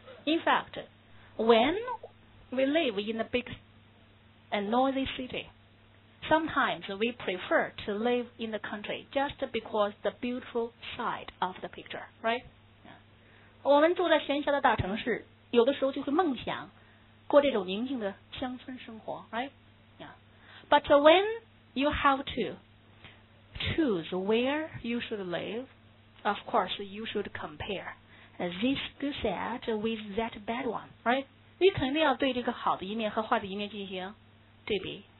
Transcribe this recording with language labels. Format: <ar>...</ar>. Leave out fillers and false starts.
<en>In fact, when we live in a big and noisy citySometimes we prefer to live in the country just because the beautiful side of the picture, right?</en> <zh>我们住在喧嚣的大城市，有的时候就会梦想过这种宁静的乡村生活， right?</zh> <en>Yeah. But when you have to choose where you should live, of course you should compare this good side with that bad one, right?</en> <zh>你肯定要对这个好的一面和坏的一面进行对比。</zh>